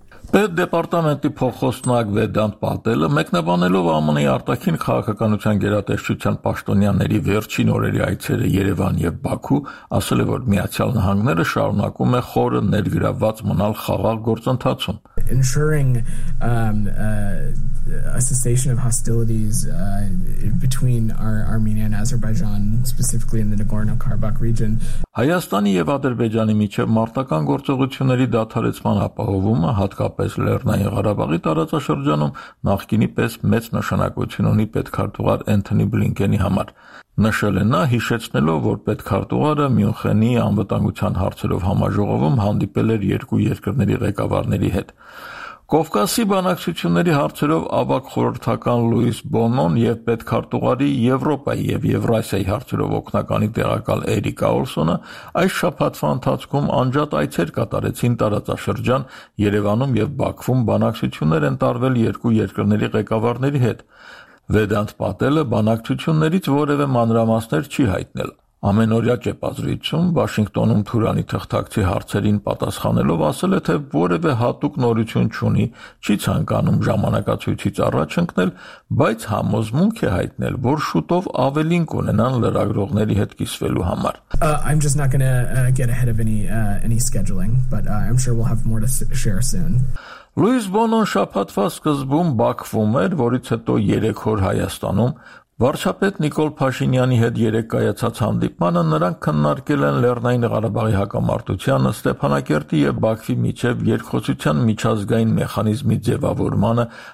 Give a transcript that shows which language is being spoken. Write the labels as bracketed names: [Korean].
[Armenian] Պետ դեպարտամենտի փոխոսնակ Վեդանտ Պատելը մեկնաբանելով ԱՄՆ-ի արտաքին քաղաքականության գերատեսչության պաշտոնյաների վերջին օրերի այցերը Երևան և Բաքու, ասել է, որ Միացյալ Նահանգները շարունակում է խորը ներգրավված մնալ խաղաղ գործընթացում. [English] Ensuring a cessation of hostilities between Armenia and Azerbaijan, specifically in the Nagorno-Karabakh region. [Armenian] Հայաստանի և Ադրբեջանի միջև մարտական գործողությունների դադարեցման ապահովումը, հատկապես Լեռնային Ղարաբաղի տարածաշրջանում, նախկինի պես մեծ նշանակություն ունի պետքարտուղար Էնթոնի Բլինկենի համար։ Նշել է նա, հիշեցնելով, որ պետքարտուղարը Մյունխենի անվտանգության հարցերով համաժողովում հանդիպել էր երկու երկրների ղեկավարների հետ։ Կովկասի բանակցությունների հարցերով ավագ խորհրդական Լուիզ Բոնոն և պետքարտուղարի Եվրոպայի և Եվրասիայի հարցերով օգնականի տեղակալ Էրիկա Օլսոնը այս շաբաթվա ընթացքում անջատ այցեր կատարեցին տարածաշրջան Երևանում և Բաքվում բանակցություններ են տարվել երկու երկրների ղեկավարների հետ։ Վեդանտ Պատելը բանակցություններից որևէ մանրամասներ չի հայտնել։ Ամենօրյա ճեպազրույցում Վաշինգտոնում Թուրանի թղթակցի հարցերին պատասխանելով ասել է, թե որևէ հատուկ նորություն չունի, չի ցանկանում ժամանակացույցից առաջ ընկնել, բայց համոզմունք է հայտնել, որ շուտով ավելին կունենան լրագրողների հետ կիսվելու համար։ [English] I'm just not going to get ahead of any scheduling, but I'm sure we'll have more to share soon. [Armenian] Լուիզ Բոնոն շաբաթվա սկզբում Բաքվում էր, որից հետո 3 օր Հայաստանում։ Վարչապետ Նիկոլ Փաշինյանի հետ երեկ կայացած հանդիպմանը նրանք քննարկել են Լեռնային Ղարաբաղի հակամարտությանը Ստեփանակերտի և Բաքվի միջև երկխոսության միջազգային մեխանիզմի ձևավորմանը